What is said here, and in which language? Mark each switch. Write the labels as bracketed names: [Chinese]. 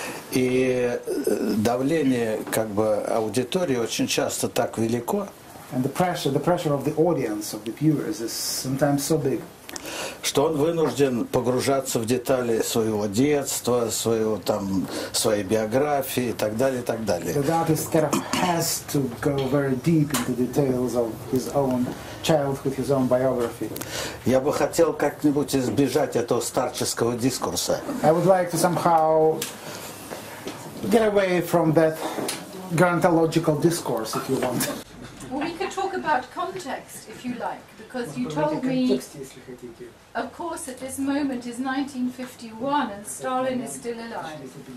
[Russian] И давление как бы аудитории очень часто так велико. [English] And the pressure of the audience, of the viewers, is sometimes so big. [Russian] Что он вынужден погружаться в детали своего детства, своего там, своей биографии и так далее, и так далее. [English] The artist kind of has to go very deep into details of his own childhood, his own biography. [Russian] Я бы хотел как-нибудь избежать этого старческого дискурса. [English] I would like to somehow get away from that gerontological discourse if you want. Well, we could talk about context if you like, because you told me, of course, at this moment is 1951 and Stalin is still alive.